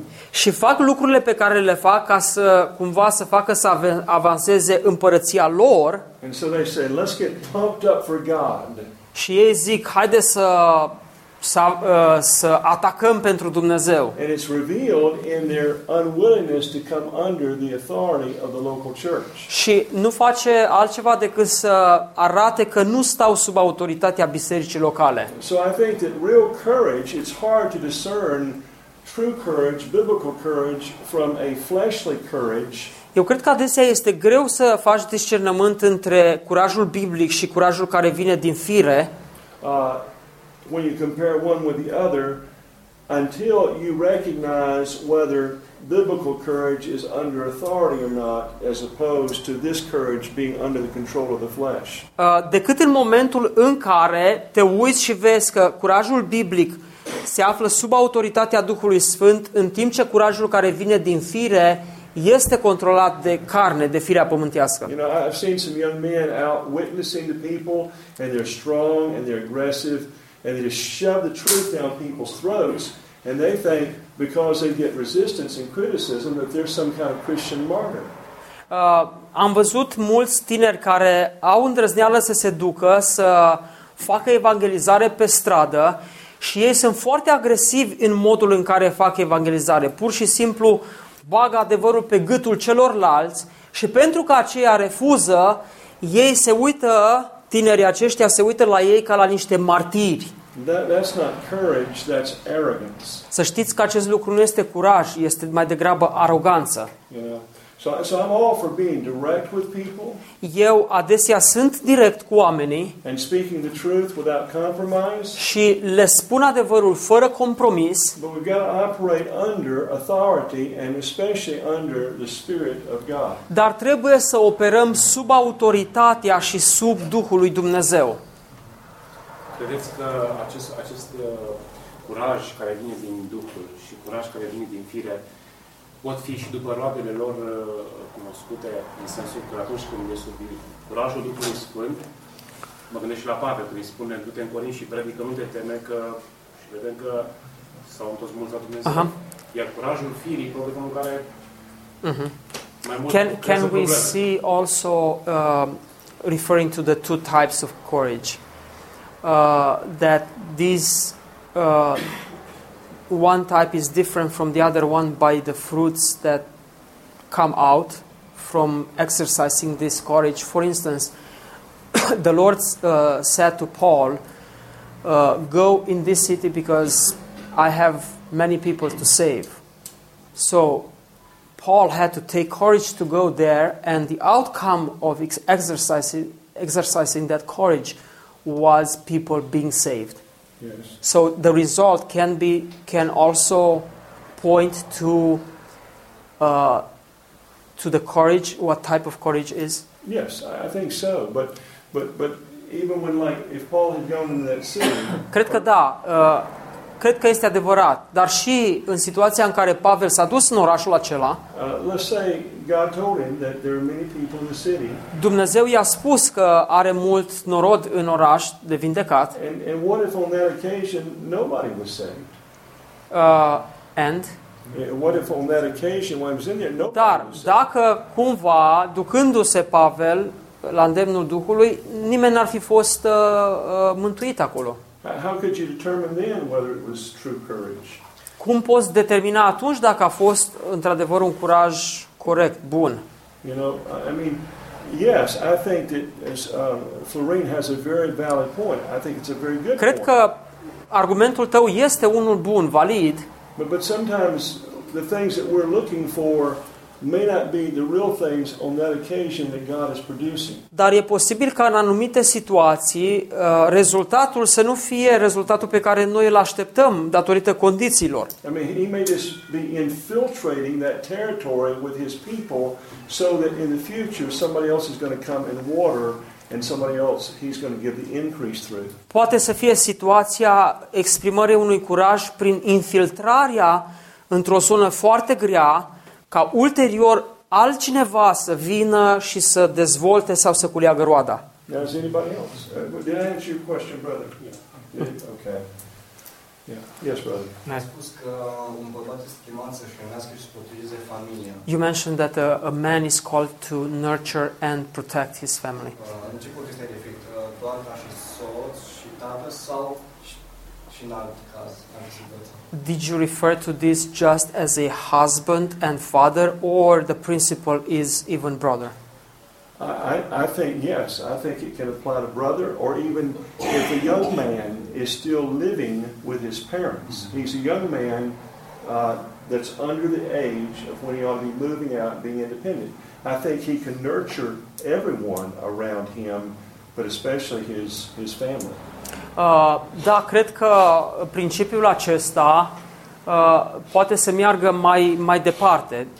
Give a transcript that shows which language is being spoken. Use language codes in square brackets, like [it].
[ro] Și fac lucrurile pe care le fac ca să cumva să facă să avanseze împărăția lor. [en] And so they say, let's get pumped up for God. [ro] Și ei zic, haide să atacăm pentru Dumnezeu. [en] And it's revealed in their unwillingness to come under the authority of the local church. [ro] Și nu face altceva decât să arate că nu stau sub autoritatea bisericii locale. [en] So I think that real courage, it's hard to discern true courage, biblical courage from a fleshly courage. [ro] Eu cred că adesea este greu să faci discernământ între curajul biblic și curajul care vine din fire. [en] When you compare one with the other, until you recognize whether biblical courage is under authority or not, as opposed to this courage being under the control of the flesh. [ro] Decât în momentul în care te uiți și vezi că curajul biblic se află sub autoritatea Duhului Sfânt, în timp ce curajul care vine din fire este controlat de carne, de firea pământească. [en] You know, I've seen some young men out witnessing the people, and they're strong and they're aggressive. And they just shove the truth down people's throats, and they think because they get resistance and criticism that they're some kind of Christian martyr. [ro] Am văzut mulți tineri care au îndrăzneală să se ducă să facă evangelizare pe stradă și ei sunt foarte agresivi în modul în care fac evangelizare. Pur și simplu bagă adevărul pe gâtul celorlalți și pentru că aceia refuză, ei se uită. Tinerii aceștia se uită la ei ca la niște martiri. [en] That's not courage, that's arrogance. [ro] Să știți că acest lucru nu este curaj, este mai degrabă aroganță. [en] You know? So I'm all for being direct with people. [ro] Eu adesea sunt direct cu oamenii. [en] And speaking the truth without compromise. [ro] Și le spun adevărul fără compromis. [en] But we've got to operate under authority and especially under the Spirit of God. [ro] Dar trebuie să operăm sub autoritatea și sub Duhul lui Dumnezeu. Credeți că acest curaj care vine din Duhul și curaj care vine din fire pot fi și după roadele lor cunoscute, în sensul că atunci când e sub curajul Duhului Sfânt, mă gândesc și la Pavel, când îi spune, du-te în Corint și predică, nu te teme că, și vedem că s-au întors mulți la Dumnezeu. Aha. Iar curajul firii, probabil că în care mai mult [en] can we [ro] probleme. [en] See also, referring to the two types of courage, that these... one type is different from the other one by the fruits that come out from exercising this courage. For instance, the Lord said to Paul, go in this city because I have many people to save. So Paul had to take courage to go there, and the outcome of exercising that courage was people being saved. Yes. So the result can also point to the courage, what type of courage is? Yes, I think so. But even when, like, if Paul had gone into that city. [ro] Cred că da. Cred că este adevărat. Dar și în situația în care Pavel s-a dus în orașul acela. [en] Let's say God told him that there are many people in the city. [ro] Dumnezeu i-a spus că are mult norod în oraș de vindecat. [en] And what if on that occasion nobody was saved? And what if on that occasion when I was in there nobody was saved? [ro] Dar dacă cumva ducându-se Pavel la îndemnul Duhului, nimeni n-ar fi fost mântuit acolo. [en] How could you determine then whether it was true courage? [ro] Cum poți determina atunci dacă a fost într-adevăr un curaj corect, bun? [en] You know, I mean, yes, I think that Florine has a very valid point. I think it's a very good point. [ro] Cred că argumentul tău este unul bun, valid. [en] But sometimes the things that we're looking for may not be the real things on that occasion that God is producing. [ro] Dar e posibil ca în anumite situații rezultatul să nu fie rezultatul pe care noi îl așteptăm datorită condițiilor. [en] I mean, he may just be infiltrating that territory with his people so that in the future somebody else is going to come and water and somebody else he's going to give the increase through. [ro] Poate să fie situația exprimării unui curaj prin infiltrarea într-o zonă foarte grea, ca ulterior altcineva să vină și să dezvolte sau să culeagă roada. [en] Now, is anybody else? Did I answer your question, brother? Yeah. Okay. Yeah. Yes, brother. [ro] Ai spus că un bărbat este chemat să hrănească și să protejeze familia. [en] You mentioned that a man is called to nurture and protect his family. [ro] În ce context ai referit? Doar ca și soț și tată sau și în alt caz? [en] Did you refer to this just as a husband and father, or the principle is even broader? I think yes. I think it can apply to brother, or even if a young man is still living with his parents. He's a young man that's under the age of when he ought to be moving out and being independent. I think he can nurture everyone around him, but especially his family. [ro] Da, cred că principiul acesta poate să meargă mai departe.